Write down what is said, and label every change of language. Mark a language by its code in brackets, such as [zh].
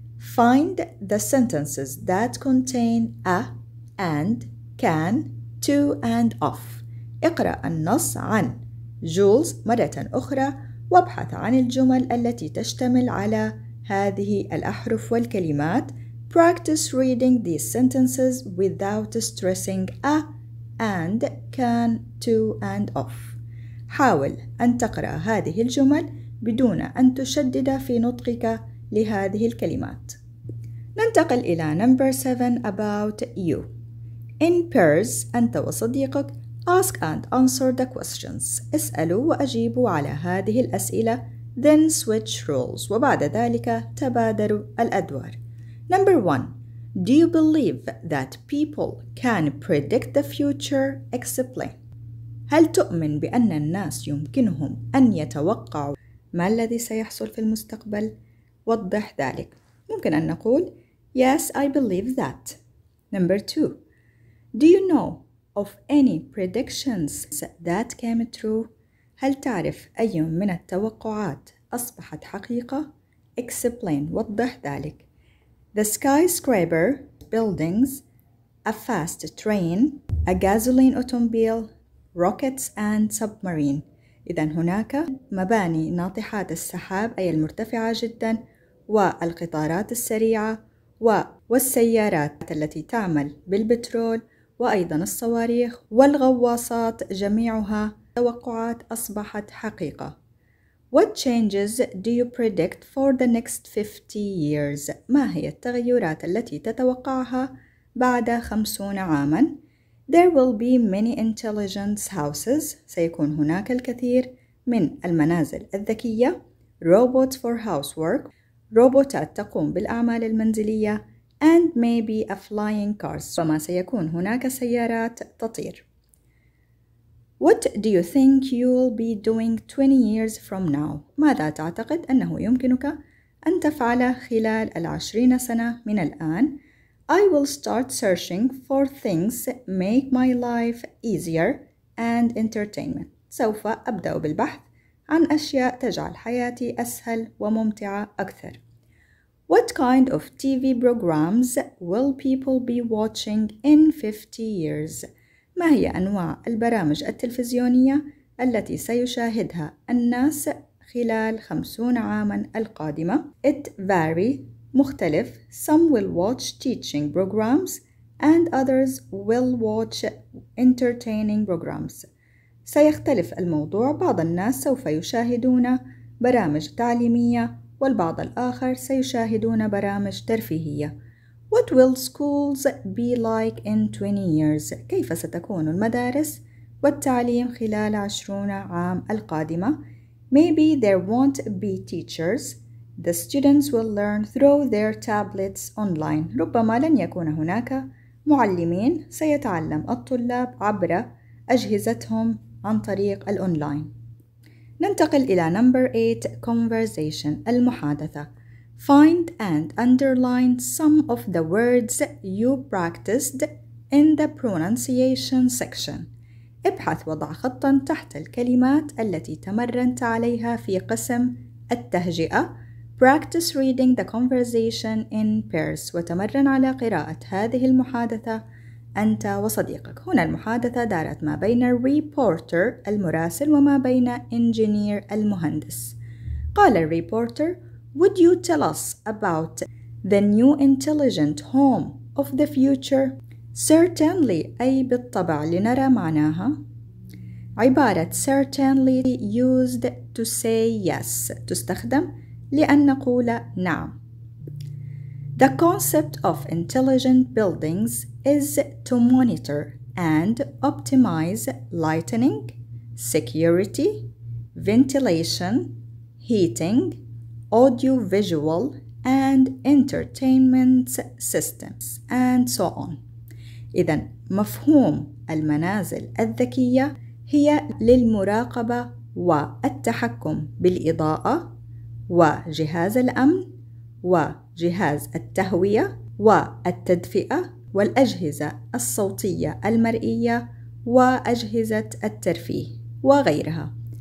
[en] Find the sentences that contain a, and, can, to, and of. [ar] اقرأ النص عن جولز مرة أخرى وابحث عن الجمل التي تشتمل على هذه الأحرف والكلمات. [en] Practice reading these sentences without stressing a, and, can, to, and of. [ar] حاول أن تقرأ هذه الجمل بدون أن تشدد في نطقك لهذه الكلمات. ننتقل إلى [en] number 7 about you. In pairs, [ar] أنت وصديقك. [en] Ask and answer the questions. [ar] اسألوا وأجيبوا على هذه الأسئلة. [en] Then switch roles. [ar] وبعد ذلك تبادلوا الأدوار. [en] Number 1. Do you believe that people can predict the future? Explain. [ar] هل تؤمن بأن الناس يمكنهم أن يتوقعوا ما الذي سيحصل في المستقبل؟ وضح ذلك. ممكن أن نقول [en] Yes, I believe that. Number 2. Do you know of any predictions that came true? [ar] هل تعرف أي من التوقعات أصبحت حقيقة؟ [en] Explain. [ar] وضح ذلك. [en] The skyscraper buildings, a fast train, a gasoline automobile, rockets and submarine. [ar] إذن هناك مباني ناطحات السحاب أي المرتفعة جدا، والقطارات السريعة، والسيارات التي تعمل بالبترول، وأيضا الصواريخ والغواصات، جميعها توقعات أصبحت حقيقة. [en] What changes do you predict for the next 50 years? [ar] ما هي التغيرات التي تتوقعها بعد 50 عاما؟ [en] There will be many intelligence houses. [ar] سيكون هناك الكثير من المنازل الذكية. [en] Robots for housework. [ar] روبوتات تقوم بالأعمال المنزلية. [en] And maybe a flying cars. [ar] وما سيكون هناك سيارات تطير. [en] What do you think you'll be doing 20 years from now? [ar] ماذا تعتقد أنه يمكنك أن تفعله خلال 20 سنة من الآن؟ [en] I will start searching for things make my life easier and entertainment. [ar] سوف أبدأ بالبحث عن أشياء تجعل حياتي أسهل وممتعة أكثر. [en] What kind of TV programs will people be watching in 50 years? [ar] ما هي أنواع البرامج التلفزيونية التي سيشاهدها الناس خلال 50 عاماً القادمة؟ [en] It vary, [ar] مختلف. [en] Some will watch teaching programs and others will watch entertaining programs. [ar] سيختلف الموضوع. بعض الناس سوف يشاهدون برامج تعليمية والبعض الآخر سيشاهدون برامج ترفيهية. [en] What will schools be like in 20 years؟ [ar] كيف ستكون المدارس والتعليم خلال 20 عام القادمة؟ [en] Maybe there won't be teachers. The students will learn through their tablets online. [ar] ربما لن يكون هناك معلمين، سيتعلم الطلاب عبر أجهزتهم عن طريق الأونلاين. ننتقل إلى number 8 conversation المحادثة. [en] Find and underline some of the words you practiced in the pronunciation section. [ar] ابحث وضع خطا تحت الكلمات التي تمرنت عليها في قسم التهجئة. [en] Practice reading the conversation in pairs [ar] وتمرن على قراءة هذه المحادثة أنت وصديقك. هنا المحادثة دارت ما بين الريبورتر المراسل وما بين engineer المهندس. قال الريبورتر: [en] Would you tell us about the new intelligent home of the future? Certainly, [ar] أي بالطبع لنرى معناها. عبارة [en] certainly used to say yes [ar] تستخدم لأن نقول نعم. [en] The concept of intelligent buildings is to monitor and optimize lighting, security, ventilation, heating, audiovisual and entertainment systems and so on. [ar] إذن مفهوم المنازل الذكية هي للمراقبة والتحكم بالإضاءة وجهاز الأمن وجهاز التهوية والتدفئة والأجهزة الصوتية المرئية وأجهزة الترفيه وغيرها.